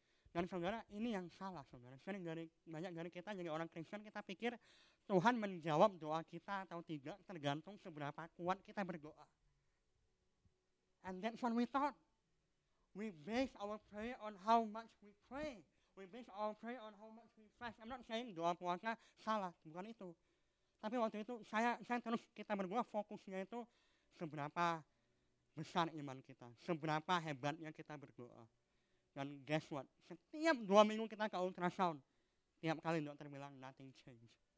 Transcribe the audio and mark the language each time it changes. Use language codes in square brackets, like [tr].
[id] Dan saudara, ini yang salah saudara. Sering dari banyak dari kita jadi orang Kristen kita pikir Tuhan menjawab doa kita atau tidak tergantung seberapa kuat kita berdoa. [en] And that's what we thought. We base our prayer on how much we pray. We base our prayer on how much we fast. I'm not saying [id] doa puasa salah, bukan itu. Tapi waktu itu saya terus kita berdoa fokusnya itu seberapa besar iman kita, seberapa hebatnya kita berdoa. Dan [en] guess what? [id] Setiap 2 minggu kita ke ultrasound, tiap kali dokter bilang [en] nothing change.